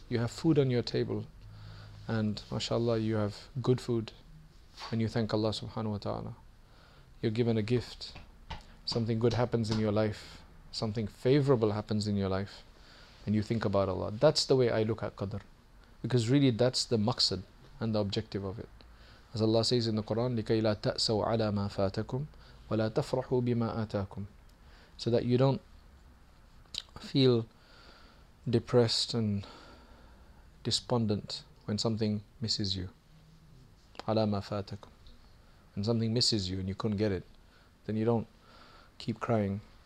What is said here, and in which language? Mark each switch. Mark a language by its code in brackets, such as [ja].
[en] You have food on your table, and mashallah, you have good food, and you thank Allah subhanahu wa ta'ala. You're given a gift. Something good happens in your life. Something favorable happens in your life, and you think about Allah. That's the way I look at Qadr. Because really, that's the maqsad and the objective of it. As Allah says in the Quran, [ar] لِكَيْ لَا تَأْسَوْ عَلَى مَا فَاتَكُمْ وَلَا تَفْرَحُوا بِمَا آتَاكُمْ. [en] So that you don't feel depressed and despondent when something misses you. [ar] عَلَى مَا فَاتَكُمْ. [en] When something misses you and you couldn't get it, then you don't keep crying.